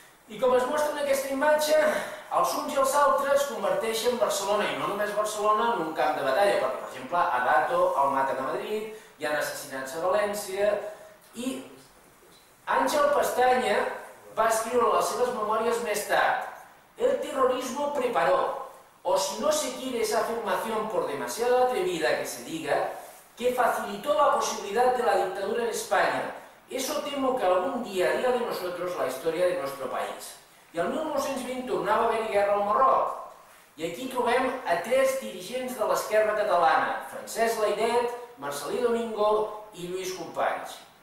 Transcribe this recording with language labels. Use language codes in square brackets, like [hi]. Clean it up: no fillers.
[ca] I com es mostra en aquesta imatge, els uns i els altres converteixen Barcelona, i no només Barcelona, en un camp de batalla, perquè, per exemple, a Dato el maten a Madrid, hi ha assassinats a València, i Àngel Pestaña va escriure les seves memòries més tard. [es] El terrorismo preparó, o si no se quiere esa afirmación por demasiado atrevida que se diga, que facilitó la posibilidad de la dictadura en España. Eso temo que algún día diga de nosotros la historia de nuestro país. [ca] I el 1920 tornava a haver guerra al Marroc. I aquí trobem a tres dirigents de l'esquerra catalana, Francesc Layret, Marcelí Domingo i Lluís Companys.